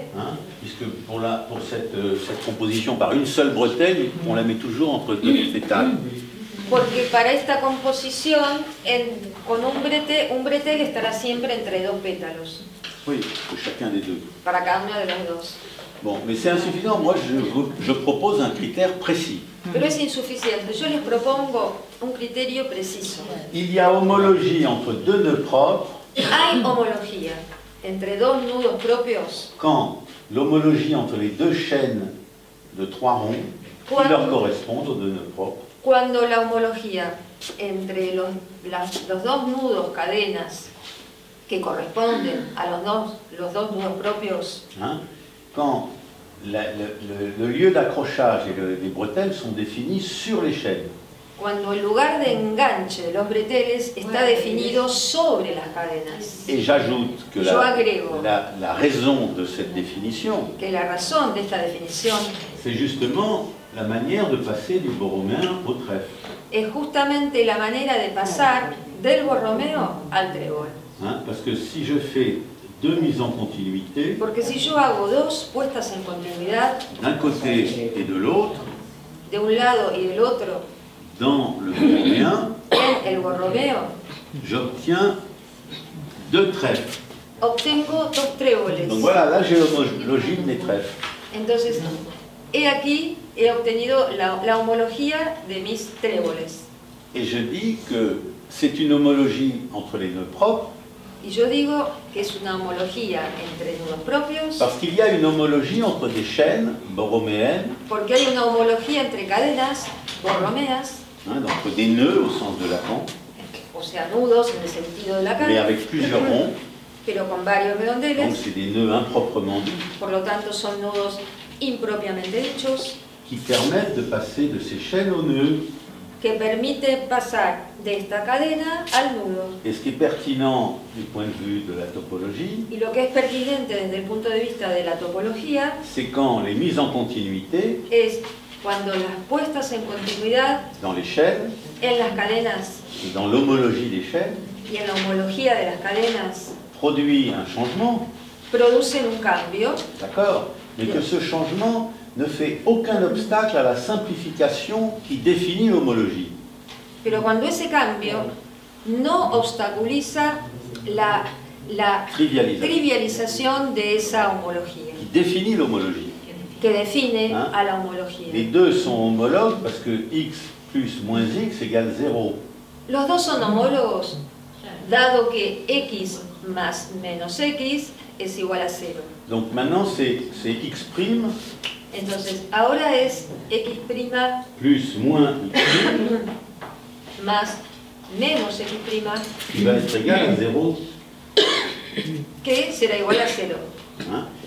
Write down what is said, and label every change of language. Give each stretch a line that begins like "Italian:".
French: Hein, puisque pour cette composition par une seule bretelle, on la met toujours entre deux pétales.
Spanish: Porque para esta composición, con un bretel estará siempre entre dos pétalos.
French: Oui, pour chacun des deux.
Spanish: Para cada uno de los dos.
French: Bon, mais c'est insuffisant. Moi, je propose un critère précis.
Spanish: Pero es insuficiente. Yo les propongo un criterio preciso.
French: Il y a homologie entre deux nœuds propres.
Spanish: Hay homología entre dos nudos propios.
French: Quand l'homologie entre les deux chaînes de trois ronds qui leur correspondent aux deux nœuds propres.
Spanish: Cuando la homología entre los dos nudos cadenas que corresponden a los dos nudos propios. Hein?
French: Quand le lieu d'accrochage et les bretelles sont définis sur les chaînes.
Spanish: Cuando el lugar de enganche de los breteles está definido sobre las cadenas.
French: Et j'ajoute que la raison de cette définition.
Spanish: Que la razón de esta definición.
French: C'est justement la manière de passer du borromeo au trèfle.
Spanish: Es justamente la manera de pasar del borromeo al trébol. Hein?
French: Parce que si je fais deux mises en continuité.
Spanish: Porque si yo hago dos puestas en continuidad.
French: D'un côté et de l'autre.
Spanish: De un lado y del otro.
French: Dans le borromeen,
Spanish: el borromeo,
French: j'obtiens deux trèfles.
Spanish: Obtengo dos tréboles.
French: Donc voilà, là j'ai l'homologie de mes trèfles.
Spanish: Entonces, he aquí he obtenido la homología de mis tréboles.
French: Et je dis que c'est une homologie entre les nœuds propres.
Spanish: Y yo digo que es una homología entre nudos propios.
French: Parce qu'il y a une homologie entre des chaînes borroméennes.
Spanish: Porque hay una homología entre cadenas borromeas.
French: Hein, donc des nœuds au sens de Lacan.
Spanish: O sea, nudos en el sentido de Lacan.
French: Mais avec plusieurs ronds.
Spanish: Pero con varios redondeles.
French: Donc c'est des nœuds improprement dits.
Spanish: Por lo tanto, son nudos impropiamente dichos.
French: Qui permettent de passer de ces chaînes aux nœuds.
Spanish: Que permite pasar de esta cadena al nudo.
French: Et ce qui est pertinent du point de vue de la topologie.
Spanish: Y lo que es pertinente desde el punto de vista de la topología.
French: C'est quand les mises en continuité.
Spanish: Es cuando las puestas en continuidad.
French: Dans les chaînes.
Spanish: En las cadenas.
French: Et dans l'homologie des chaînes.
Spanish: Y en la homología de las cadenas.
French: Produit un changement.
Spanish: Produce un cambio.
French: D'accord. Mais que ce changement ne fait aucun obstacle à la simplification qui définit l'homologie.
Spanish: Pero cuando ese cambio no obstaculiza la trivialización de esa homología.
French: Qui définit l'homologie.
Spanish: Que define, hein, a la homología.
French: Les deux sont homologues parce que x plus moins x égale 0.
Spanish: Los dos son homólogos dado que x más menos x es igual a 0.
French: Donc maintenant c'est x prime.
Spanish: Entonces, ahora es x prima
French: plus moins x prima
Spanish: más menos x prima
French: qui va être égal à 0.
Spanish: Que será igual a 0. Hein?